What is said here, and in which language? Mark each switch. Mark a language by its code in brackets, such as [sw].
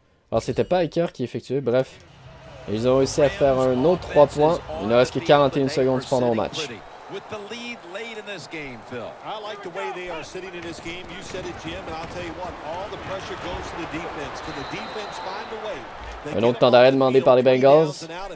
[fr] Alors c'était pas Aker qui effectuait, bref. Ils ont réussi à faire un autre 3 points. Il ne reste que 41 secondes pendant le match. [en] With the lead late in this game, Phil. I like the way they are sitting in this game. You said it, Jim, and I'll tell you what, all the pressure goes to the defense. Can the defense find a way? [fr] Un autre temps d'arrêt demandé par les Bengals.